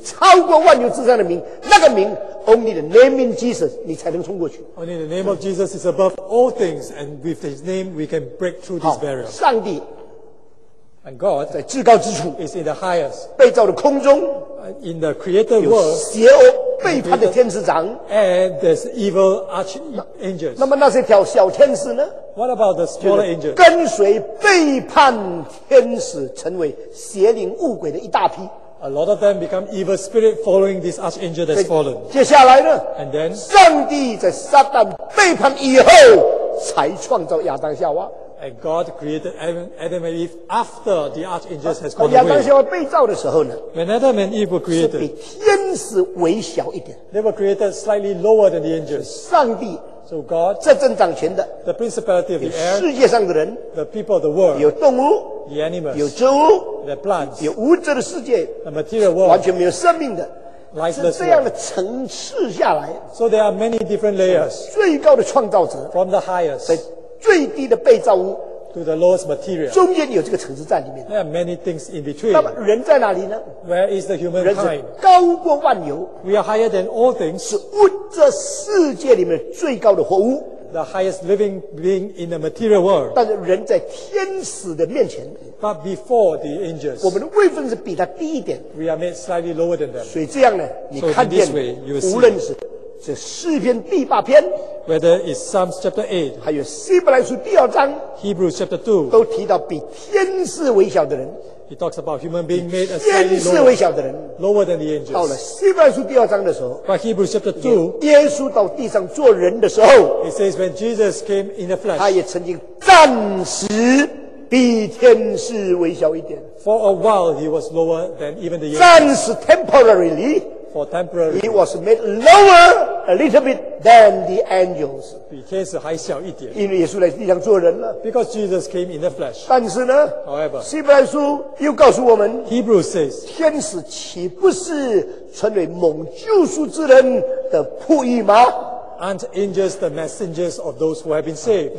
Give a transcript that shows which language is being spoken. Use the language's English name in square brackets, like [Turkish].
[Chinese] 因为这位超过一切这阵掌权有位主治能见不能见现在的将来的来世的永恒的这个名超过万有之上的名那个名, [English] only the name in Jesus, [Chinese] 你才能冲过去。 [English] Only the name of Jesus is above all things, and with his name we can break through this barrier. [Chinese] 好, 上帝, [English] and God, [Chinese] 在至高之处, [English] is in the highest, [Chinese] 被造的空中, [English] in the created world, [Chinese] 邪恶, 背叛的天使长, [English] and there's evil archangels. [Chinese] 那么那些小天使呢? [English] What about the smaller angels? [Chinese] 跟随背叛天使成为邪灵物鬼的一大批。 [English] A lot of them become evil spirits following this archangel that's fallen. [Chinese] 接下来呢? [English] And then, [Chinese] 上帝在撒旦背叛以后, 才创造亚当夏娃。 [English] And God created Adam and Eve after the archangels has gone away. [Chinese] 亚当夏娃被造的时候呢, [English] when Adam and Eve were created, [Chinese] 是比天使微小一点, [English] they were created slightly lower than the angels. [Chinese] 上帝, [English] so God, [Chinese] 这正掌权的, [English] the principality of the air, [Chinese] 世界上的人, [English] the people of the world, [Chinese] 有动物, [English] the animals, [Chinese] 有植物, [English] the plants, [Chinese] 有物质的世界, [English] the material world, [Chinese] 完全没有生命的, [English] lifeless [Chinese] world. 是这样的层次下来, [English] so there are many different layers, [Chinese] 最高的创造者, [English] from the highest, [Chinese] 最低的被造物, [English] to the lowest material, [Chinese] 中间有这个层次在里面, [English] there are many things in between. [Chinese] 那么人在哪里呢? [English] Where is the human kind? [Chinese] 人是高过万有, [English] we are higher than all things, [Chinese] 是物质世界里面最高的活物, [English] the highest living being in the material world. [Chinese] 但是人在天使的面前, [English] but before the angels, [Chinese] 我们的位分是比他低一点, [English] we are made slightly lower than them. [Chinese] 所以这样呢, 你看见, [English] so in this way, you will see, [Chinese] 无论是 这诗篇第八篇, [English] whether it's Psalms chapter 8, [Chinese] 还有希伯来书第二章, [English] Hebrews chapter 2, [Chinese] 都提到比天使微小的人, [English] he talks about human being made as slightly lower, lower than the angels. [Chinese] 到了希伯来书第二章的时候, [English] but Hebrews chapter 2, [Chinese] 耶稣到地上做人的时候, [English] it says when Jesus came in the flesh, [Chinese] 他也曾经暂时比天使微小一点。 [English] For a while, he was lower than even the angels. [Chinese] 暂时 temporarily, [English] for temporary, he was made lower a little bit than the angels. [Chinese] 比天使还小一点。因为耶稣来地上做人了。 [English] Because Jesus came in the flesh. [Chinese] 但是呢 [English] ，However, [Chinese] 希伯来书又告诉我们 [English] ，Hebrews says, [Chinese] 天使岂不是成为蒙救赎之人的仆役吗？ [English] Aren't angels the messengers of those who have been saved?